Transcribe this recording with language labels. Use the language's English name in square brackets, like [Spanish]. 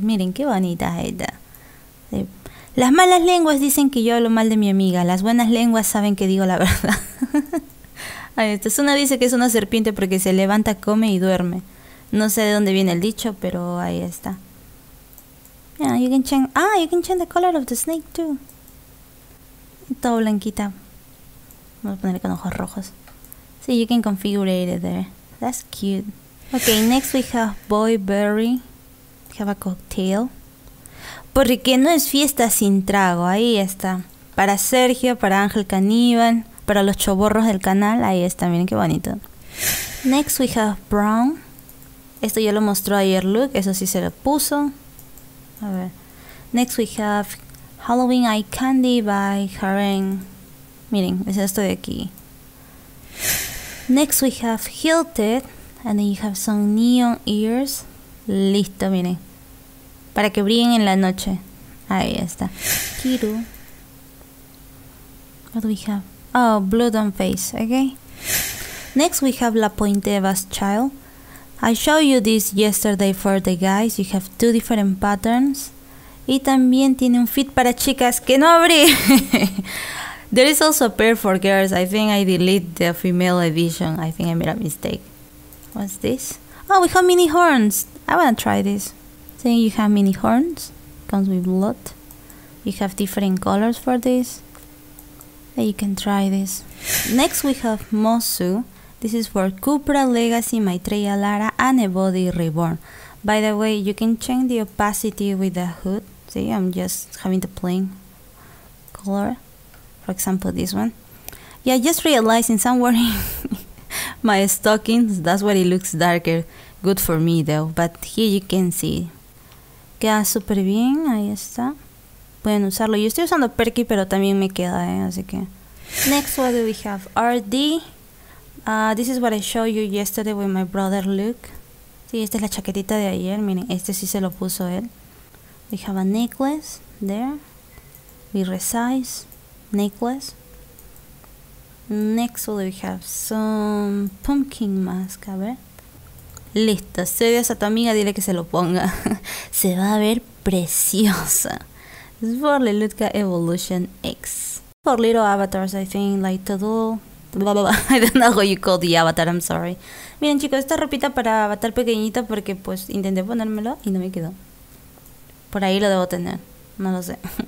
[Spanish] Miren qué bonita ella. Las malas lenguas dicen que yo hablo mal de mi amiga. Las buenas lenguas saben que digo la verdad. Ay, esta es una, dice que es una serpiente porque se levanta, come y duerme. No sé de dónde viene el dicho, pero ahí está. [English] Yeah, you can change. Ah, you can change the color of the snake too. [Spanish] Todo blanquita. Vamos a poner con ojos rojos. Sí, [English] you can configure it there. That's cute. Okay, next we have boy berry. Have a cocktail. [Spanish] Porque no es fiesta sin trago, ahí está. Para Sergio, para Ángel Caníbal, para los choborros del canal, ahí está, miren qué bonito. [English] Next we have brown. [Spanish] Esto ya lo mostró ayer Luke, eso sí se lo puso. A ver. [English] Next we have Halloween Eye Candy by Karen. [Spanish] Miren, es esto de aquí. [English] Next we have Hilted. And then you have some neon ears. [Spanish] Listo, miren. Para que brillen en la noche. Ahí está. Kiru. [English] What do we have? Oh, blood on face. Okay. Next we have La Pointe Eva's Child. I showed you this yesterday for the guys. You have two different patterns. [Spanish] Y también tiene un fit para chicas que no abrí. [English] There is also a pair for girls. I think I delete the female edition. I think I made a mistake. What's this? Oh, we have mini horns. I want to try this. See, you have mini horns. Comes with blood. You have different colors for this. Then you can try this. Next, we have Mosu. This is for Cupra, Legacy, Maitreya, Lara, and Ebody Reborn. By the way, you can change the opacity with the hood. See, I'm just having the plain color. For example, this one. Yeah, just realized since I'm wearing my stockings, that's why it looks darker. Good for me, though. But here you can see. [Spanish] Queda súper bien. Ahí está. Pueden usarlo. Yo estoy usando Perky, pero también me queda, ¿eh? Así que... [English] Next, what do we have? RD. This is what I showed you yesterday with my brother Luke. [Spanish] Sí, esta es la chaquetita de ayer. Miren, este sí se lo puso él. [English] We have a necklace there. We resize. Necklace. Next, what do we have? Some pumpkin mask. [Spanish] A ver. Listo. Si odias a tu amiga, dile que se lo ponga. Se va a ver preciosa. [English] This is for Lelutka Evolution X. For little avatars, I think, like I don't know how you call the avatar, I'm sorry. [Spanish] Miren chicos, esta ropita para avatar pequeñita porque pues intenté ponérmelo y no me quedó. Por ahí lo debo tener, no lo sé.